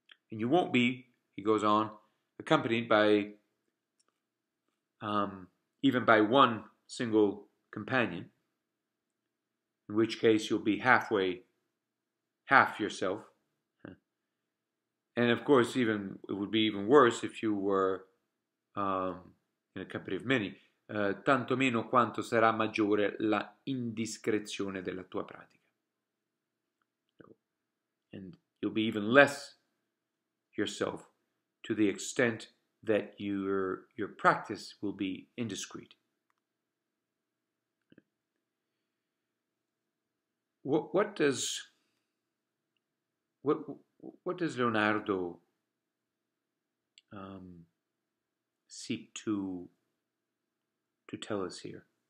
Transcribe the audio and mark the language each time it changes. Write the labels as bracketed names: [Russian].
[English] And you won't be, he goes on, accompanied by, even by one single companion, in which case you'll be halfway, half yourself. And of course, even it would be even worse if you were in a company of many. [Italian] tanto meno quanto sarà maggiore la indiscrezione della tua pratica. [English] And you'll be even less yourself to the extent that your practice will be indiscreet. What does Leonardo seek to tell us here?